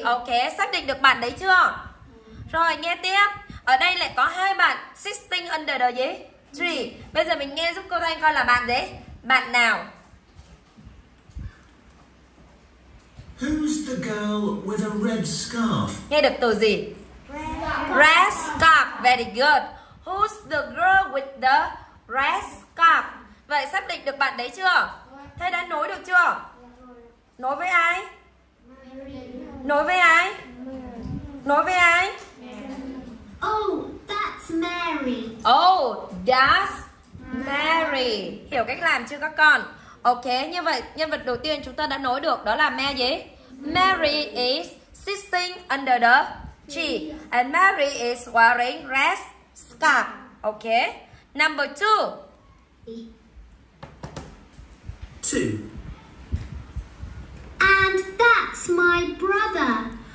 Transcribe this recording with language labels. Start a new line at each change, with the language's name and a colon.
Vietnamese: Okay, xác định được bạn đấy chưa? Rồi, nghe tiếp. Ở đây lại có hai bạn
English: sitting under the
Vietnamese: gì? Tree. Bây giờ mình nghe giúp cô Thanh coi là bạn gì? Bạn nào?
English: Who's the girl with a red scarf?
Vietnamese: Nghe được từ gì?
English: Red scarf. Very good. Who's the girl with the red scarf?
Vietnamese: Vậy xác định được bạn đấy chưa? Thế đã nối được chưa? Nối với ai? Nối với ai? Nối với ai?
English: Oh, that's Mary. Oh, that's Mary.
Vietnamese: Hiểu cách làm chưa các con? Ok, như vậy nhân vật đầu tiên chúng ta đã nối được đó là Mary gì?
English: Mary is sitting under the tree. And Mary is wearing red scarf. Ok. Number 2. 2. And that's my brother.